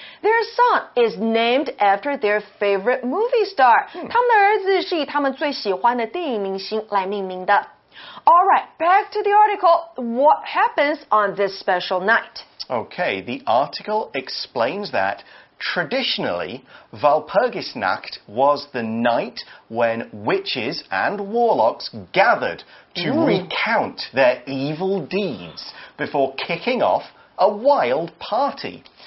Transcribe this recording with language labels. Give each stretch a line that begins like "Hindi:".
English: Their son is named after their favorite movie star.
Chinese: 他们的儿子是以他们最喜欢的电影明星来命名的。
English: All right, back to the article. What happens on this special night? Okay, the article explains that traditionally, Walpurgisnacht was the night when witches and warlocks gathered to recount their evil deeds before kicking off a wild party.